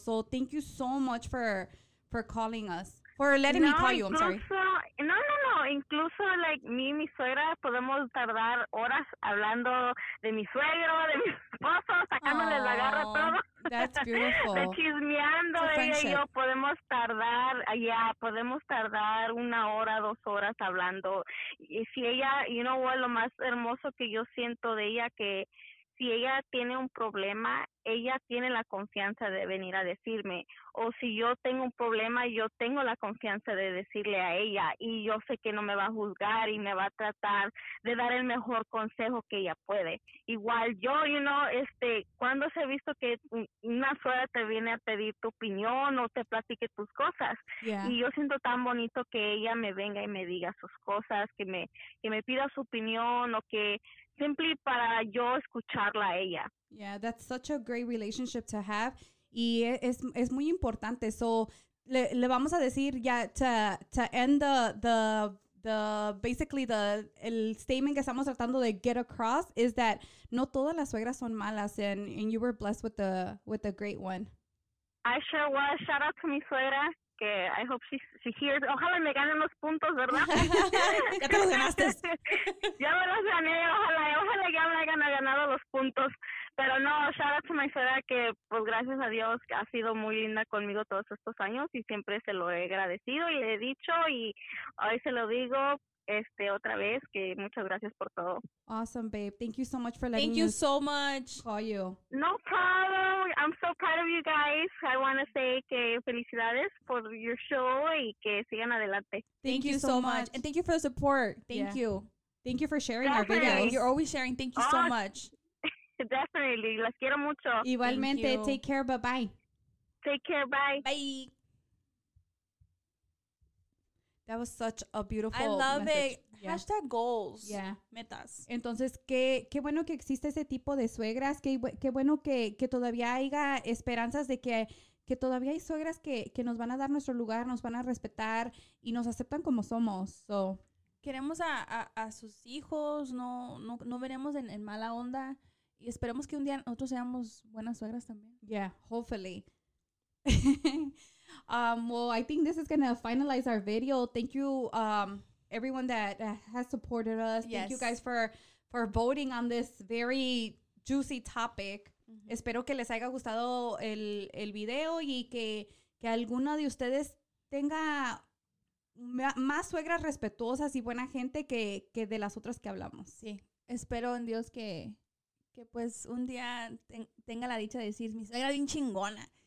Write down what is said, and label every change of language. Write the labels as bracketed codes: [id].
[en] So thank you so much for calling us. For letting me call you, I'm sorry. No. [es] Incluso, like, me y mi suegra podemos tardar horas hablando de mi suegro, de mi esposo, sacándole la garra a todo. [en] That's beautiful. [es] De chismeando, ella y yo podemos tardar, podemos tardar una hora, 2 horas hablando. Y si ella, you know what, lo más hermoso que yo siento de ella, que si ella tiene un problema, ella tiene la confianza de venir a decirme. O si yo tengo un problema, yo tengo la confianza de decirle a ella. Y yo sé que no me va a juzgar y me va a tratar de dar el mejor consejo que ella puede. Igual yo, you know, ¿cuándo se ha visto que una suegra te viene a pedir tu opinión o te platique tus cosas? [en] Yeah. [es] Y yo siento tan bonito que ella me venga y me diga sus cosas, que me pida su opinión o que simply para yo escucharla a ella. [en] Yeah, that's such a great relationship to have. Y es muy importante. So le vamos a decir ya to end the basically the statement que estamos tratando de get across is that no todas las suegras son malas, and you were blessed with a great one. I sure was. Shout out to mi suegra, que I hope she hears. [es] Ojalá me ganen los puntos, ¿verdad? Ya te los ganaste. Ya me los gané, ojalá ya me hayan ganado los puntos. Pero no, shout out to mi suegra, que pues gracias a Dios ha sido muy linda conmigo todos estos años y siempre se lo he agradecido y le he dicho y hoy se lo digo otra vez, que muchas gracias por todo. [en] Awesome, babe. Thank you so much for letting me call you. No problem. I'm so proud of you guys. I want to say que felicidades por your show y que sigan adelante. Thank you so much. And thank you for the support. Thank you. Thank you for sharing our video. You're always sharing. Thank you so much. [es] Definitely. Las quiero mucho. [en] Igualmente. Take care. Bye-bye. Take care. Bye. Bye. That was such a beautiful message. I love it. Yeah. Hashtag goals. Yeah. [es] Metas. Entonces, qué bueno que existe ese tipo de suegras. Qué bueno que todavía haya esperanzas de que todavía hay suegras que nos van a dar nuestro lugar, nos van a respetar y nos aceptan como somos. [en] So. [es] Queremos a sus hijos. No veremos en mala onda. Y esperemos que un día nosotros seamos buenas suegras también. [en] Yeah, hopefully. Well, I think this is going to finalize our video. Thank you, everyone that has supported us. Yes. Thank you guys for voting on this very juicy topic. Mm-hmm. [es] Espero que les haya gustado el video y que alguna de ustedes tenga más suegras respetuosas y buena gente que de las otras que hablamos. Sí, espero en Dios que pues un día tenga la dicha de decir, mi suegra bien chingona.